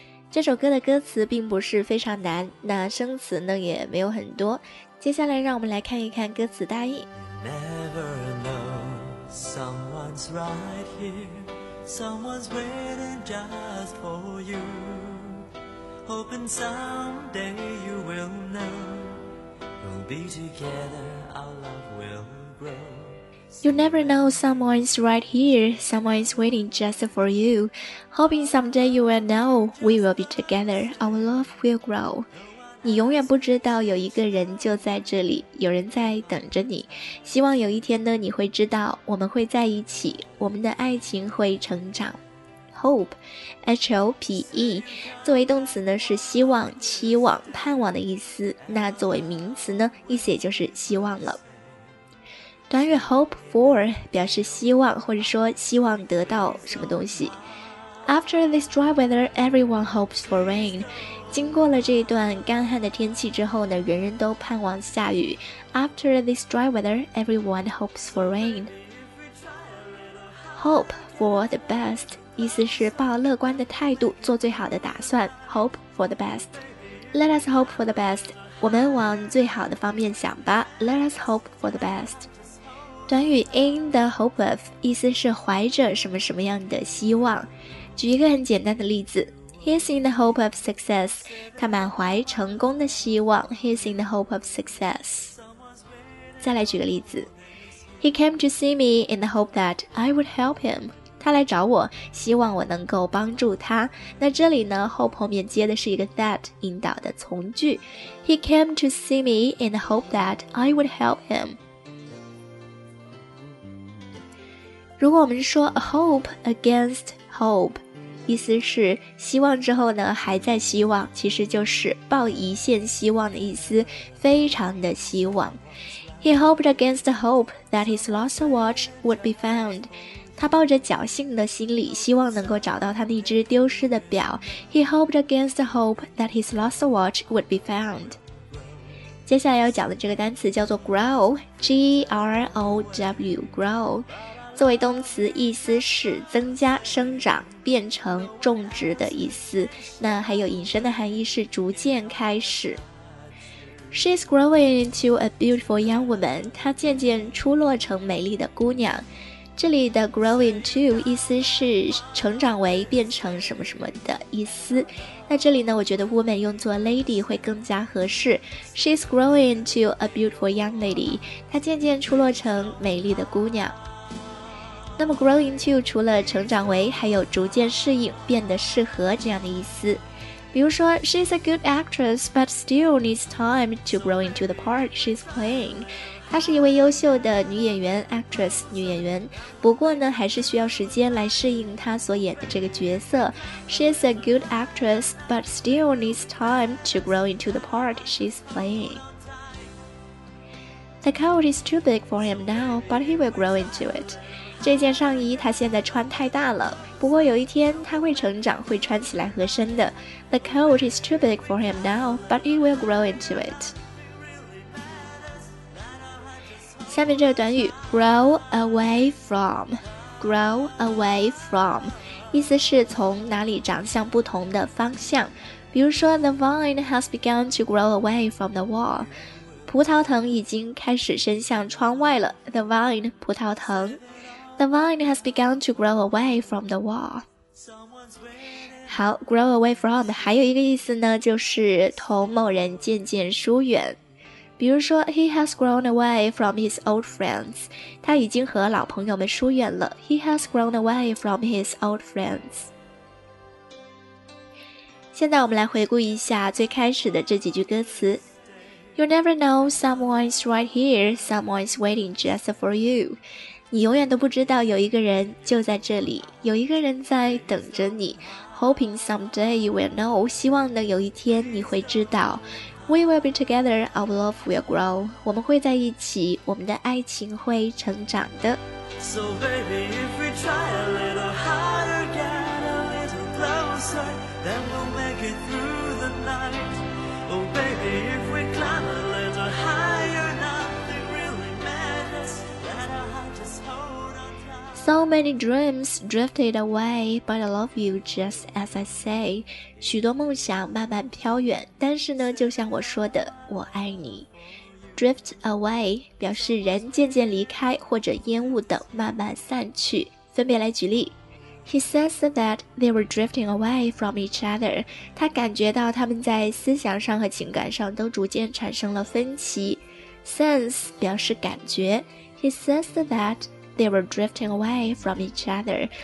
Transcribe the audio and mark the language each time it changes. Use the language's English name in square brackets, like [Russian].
[Chinese] 这首歌的歌词并不是非常难，那生词呢也没有很多，接下来让我们来看一看歌词大意。 [English] Never know someone's right here, someone's waiting just for you, hoping someday you will know, we'll be together, our love will grow You never know someone's right here, someone's waiting just for you, hoping someday you will know, we will be together, our love will grow. [Chinese] 你永远不知道有一个人就在这里，有人在等着你，希望有一天呢，你会知道我们会在一起，我们的爱情会成长。 Hope, H-O-P-E, 作为动词呢是希望、期望、盼望的意思，那作为名词呢，意思也就是希望了。短语 hope for 表示希望或者说希望得到什么东西。 [English] After this dry weather, everyone hopes for rain. [Chinese] 经过了这一段干旱的天气之后呢，人人都盼望下雨。 [English] After this dry weather, everyone hopes for rain. Hope for the best [Chinese] 意思是抱乐观的态度，做最好的打算。 [English] Hope for the best. Let us hope for the best. [Chinese] 我们往最好的方面想吧。 [English] Let us hope for the best. [Chinese] 短语 [English] in the hope of [Chinese] 意思是怀着什么什么样的希望。举一个很简单的例子， [English] He's in the hope of success. [Chinese] 他满怀成功的希望。 [English] He's in the hope of success. [Chinese] 再来举个例子， [English] He came to see me in the hope that I would help him. [Chinese] 他来找我，希望我能够帮助他。那这里呢， hope 后面接的是一个 that 引导的从句。 [English] He came to see me in the hope that I would help him. [Chinese] 如果我们说 [English] hope against hope, [Chinese] 意思是希望之后呢还在希望，其实就是抱一线希望的意思，非常的希望。 [English] He hoped against hope that his lost watch would be found. [Chinese] 他抱着侥幸的心理，希望能够找到他那只丢失的表。 [English] He hoped against hope that his lost watch would be found. [Chinese] 接下来要讲的这个单词叫做 grow, G-R-O-W, grow. 作为动词，意思是增加、生长、变成、种植的意思。那还有引申的含义是逐渐开始。 [English] She's growing into a beautiful young woman. [Chinese] 她渐渐出落成美丽的姑娘。这里的 grow into 意思是成长为、变成什么什么的意思。那这里呢，我觉得 woman 用作 lady 会更加合适。 [English] She's growing into a beautiful young lady. [Chinese] 她渐渐出落成美丽的姑娘。那么 grow into 除了成长为，还有逐渐适应、变得适合这样的意思。比如说 [English] She's a good actress but still needs time to grow into the part she's playing. [Chinese] 她是一位优秀的女演员 actress 女演员，不过呢还是需要时间来适应她所演的这个角色。 [English] She's a good actress but still needs time to grow into the part she's playing. The coat is too big for him now but he will grow into it. [Chinese] 这件上衣他现在穿太大了，不过有一天他会成长，会穿起来合身的。 [English] The coat is too big for him now, but he will grow into it. [Chinese] 下面这个短语 [English] grow away from, grow away from, [Chinese] 意思是从哪里长向不同的方向。比如说 [English] The vine has begun to grow away from the wall. [Chinese] 葡萄藤已经开始伸向窗外了。 The vine, 葡萄藤。 [English] The vine has begun to grow away from the wall. [Chinese] 好， grow away from 还有一个意思呢，就是同某人渐渐疏远。比如说 [English] He has grown away from his old friends. [Chinese] 他已经和老朋友们疏远了。 [English] He has grown away from his old friends. [Chinese] 现在我们来回顾一下最开始的这几句歌词。 [English] You never know someone's right here, someone's waiting just for you. [Chinese] 你永远都不知道有一个人就在这里，有一个人在等着你。 [English] hoping someday you will know, [Chinese] 希望的有一天你会知道。 [English] We will be together, our love will grow. [Chinese] 我们会在一起，我们的爱情会成长的。 [English] So baby, if we try a little harder, get a little closer, then we'll make it through the night. Oh baby, if we climb a little higher, nothing really matters, let our heart just hold on tight. So many dreams drifted away, but I love you just as I say. [Chinese] 许多梦想慢慢飘远，但是呢，就像我说的，我爱你。 Drift away 表示人渐渐离开或者烟雾等慢慢散去。分别来举例 ， [English] He says that they were drifting away from each other. [Chinese] 他感觉到他们在思想上和情感上都逐渐产生了分歧。 Sense 表示感觉。 [English] He says that they were drifting away from each other.